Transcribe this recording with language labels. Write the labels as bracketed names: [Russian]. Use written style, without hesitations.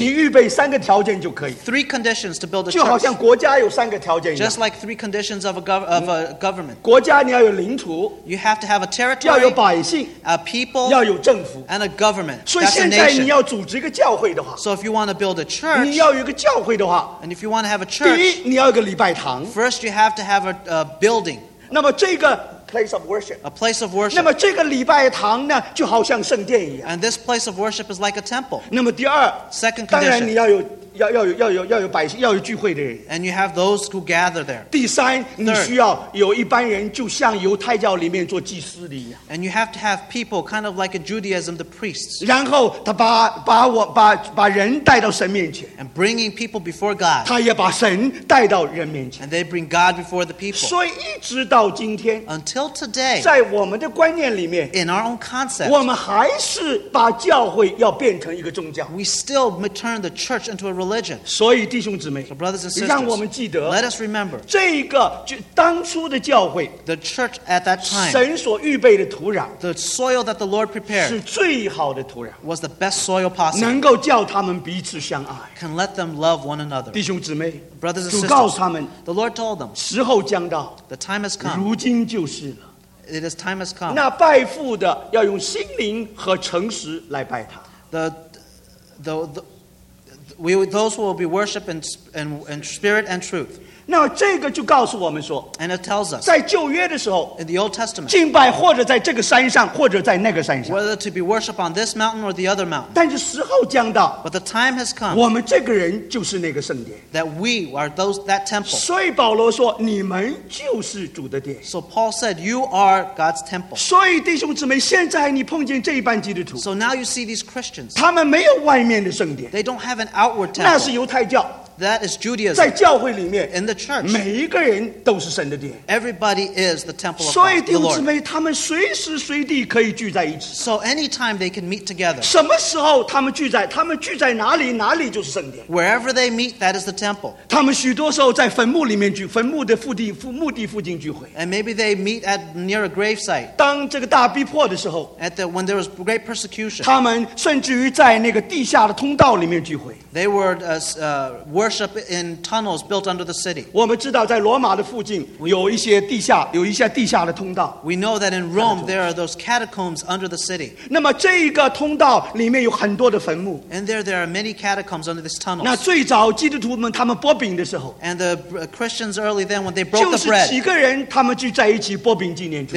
[Chinese] 你预备三个条件就可以, [English] three conditions to build a church. [Chinese] 就好像国家有三个条件一样, [English] just like three conditions of a government. [Chinese] 国家你要有领土, [English] you have to have a territory, [Chinese] 要有百姓, [English] a people, [Chinese] 要有政府, [English] and a government. [Chinese] 所以现在你要组织一个教会的话, [English] so if you want to build a church, [Chinese] 你要有一个教会的话, [English] and if you want to have a church, [Chinese] 第一,你要有个礼拜堂, [English] first you have to have a building. [Chinese] 那么这个 [English] place of worship, a place of worship. [Chinese] 那么这个礼拜堂呢, 就好像圣殿一样, [English] and this place of worship is like a temple. [Chinese] 那么第二, [English] second condition, [Chinese] 当然你要有, 要有百姓要有聚会的人, [English] and you have those who gather there. [Chinese] 第三, [English] third, [Chinese] 你需要有一般人, 就像犹太教里面做祭司的一样, [English] and you have to have people kind of like in Judaism, the priests. [Chinese] 然后他把人带到神面前, [English] and bringing people before God. [Chinese] 他也把神带到人面前, [English] and they bring God before the people. [Chinese] 所以一直到今天, [English] until today, [Chinese] 在我们的观念里面, [English] in our own concept, [Chinese] 我们还是把教会要变成一个宗教, [English] we still turn the church into a religion. [Chinese] 所以弟兄姊妹, [English] so brothers and sisters, [Chinese] 让我们记得, [English] let us remember, [Chinese] 这个当初的教会, [English] the church at that time, [Chinese] 神所预备的土壤, [English] the soil that the Lord prepared, [Chinese] 是最好的土壤, [English] was the best soil possible, [Chinese] 能够叫他们彼此相爱, [English] can let them love one another. [Chinese] 弟兄姊妹, [English] brothers and [Chinese] 主告诉他们, [English] sisters, the Lord told them, [Chinese] 时候将到, [English] the time has come, [Chinese] 如今就是了, [English] it is time has come. [Chinese] 那拜父的要用心灵和诚实来拜他, [English] those who will be worshipped in spirit and truth. [Chinese] 那这个就告诉我们说, [English] and it tells us, [Chinese] 在旧约的时候, [English] in the Old Testament, [Chinese] 敬拜或者在这个山上, 或者在那个山上, [English] whether to be worshipped on this mountain or the other mountain. [Chinese] 但是时候将到, [English] but the time has come, [Chinese] 我们这个人就是那个圣殿, [English] that we are those, that temple. [Chinese] 所以保罗说, 你们就是主的殿, [English] so Paul said, you are God's temple. [Chinese] 所以弟兄姊妹, 现在你碰见这一班基督徒, [English] so now you see these Christians, [Chinese] 他们没有外面的圣殿, [English] they don't have an outward temple. [Chinese] 那是犹太教, [English] that is Judaism. [Chinese] 在教会里面, [English] in the church, [Chinese] 每一个人都是神的殿, [English] everybody is the temple of God. [Chinese] 所以弟兄姊妹, 他们随时随地可以聚在一起, [English] so anytime they can meet together. [Chinese] 什么时候他们聚在, 他们聚在哪里, 哪里就是圣殿, [English] wherever they meet, that is the temple. [Chinese] 他们许多时候在坟墓里面聚, 坟墓的附近, 墓地附近聚会, [English] and maybe they meet at near a gravesite. [Chinese] 当这个大逼迫的时候, [English] when there was great persecution, [Chinese] 他们甚至于在那个地下的通道里面聚会, [English] they were worship in tunnels built under the city. [Chinese] 我们知道在罗马的附近有一些地下的通道, [English] we know that in Rome there are those catacombs under the city. [Chinese] 那么这个通道里面有很多的坟墓, [English] and there are many catacombs under this tunnel. [Chinese] 那最早基督徒们他们擘饼的时候, [English] and the Christians early then when they broke the bread, [Chinese] 就是几个人他们聚在一起擘饼纪念主,